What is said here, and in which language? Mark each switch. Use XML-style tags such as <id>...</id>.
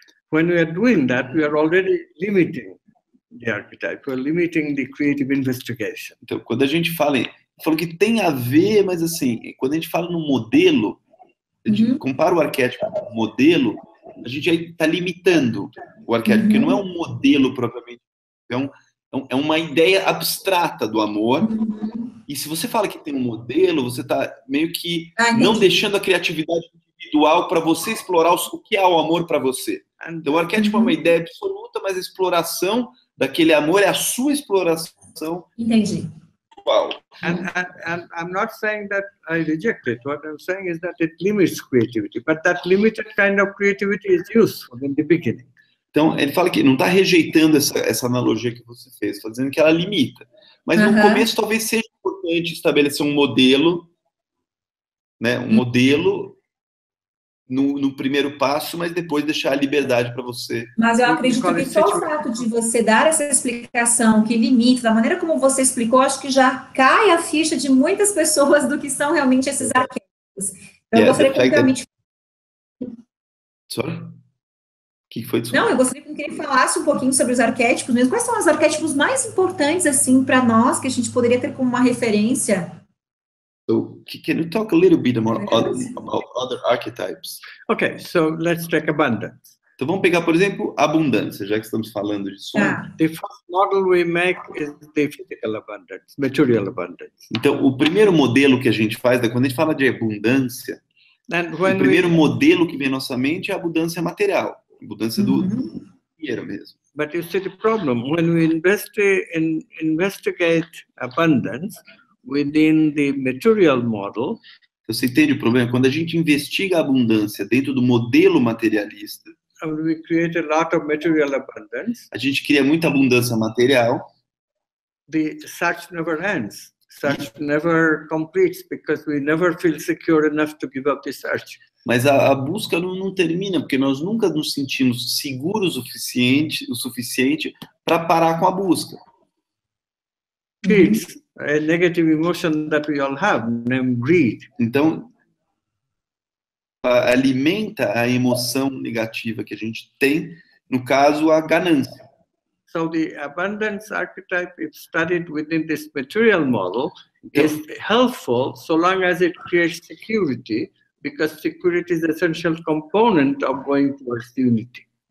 <en>When we are doing that, we are already limiting the archetype. We are limiting the creative investigation.</en> <pt>Então, quando a gente fala em... falou que tem a ver, mas assim, quando a gente fala no modelo, a gente compara o arquétipo com o modelo, a gente aí está limitando o arquétipo, porque não é um modelo propriamente, é uma ideia abstrata do amor, e se você fala que tem um modelo, você está meio que não deixando a criatividade individual para você explorar o que é o amor para você. Então o arquétipo é uma ideia absoluta, mas a exploração daquele amor é a sua exploração. Entendi.</pt> <en>Wow. And I'm not saying that I reject it. What I'm saying is that it limits creativity. But that limited kind of creativity is useful in the beginning.</en> <pt>Então, ele fala que não está rejeitando essa analogia que você fez. Está dizendo que ela limita. Mas no começo talvez seja importante estabelecer um modelo, né? Um modelo no primeiro passo, mas depois deixar a liberdade para você. Mas eu acredito que só o fato de você dar essa explicação, que limita, da maneira como você explicou, acho que já cai a ficha de muitas pessoas do que são realmente esses arquétipos. Então, eu gostaria que realmente...</pt> <en>Sorry?</en> <pt>O que foi? Não, eu gostaria que ele falasse um pouquinho sobre os arquétipos mesmo. Quais são os arquétipos mais importantes, assim, para nós, que a gente poderia ter como uma referência?</pt> <en>So, can you talk a little bit more about other archetypes? Okay, so let's take abundance.</en> <pt>Então vamos pegar, por exemplo, abundância, já que estamos falando de sonho.</pt> <en>The first model we make is the physical abundance, material abundance.</en> <pt>Então, o primeiro modelo que a gente faz, quando a gente fala de abundância, modelo que vem à nossa mente é a abundância material, a abundância do dinheiro mesmo.</pt> <en>But you see the problem, when we investigate abundance, within the material model,</en> <pt>Você entende o problema? Quando a gente investiga a abundância dentro do modelo materialista,</pt> <en>we create a lot of material abundance.</en> <pt>A gente cria muita abundância material.</pt> <en>The search never ends. Search never completes because we never feel secure enough to give up the search.</en> <pt>Mas a busca não termina, porque nós nunca nos sentimos seguros o suficiente para parar com a busca.</pt> <en>It's a negative emotion that we all have, named greed.</en> <pt>Então, alimenta a emoção negativa que a gente tem, no caso, a ganância.</pt> <en>So the abundance archetype, if studied within this material model, então, is helpful so long as it creates security, because security is the essential component of going towards the unity.</en>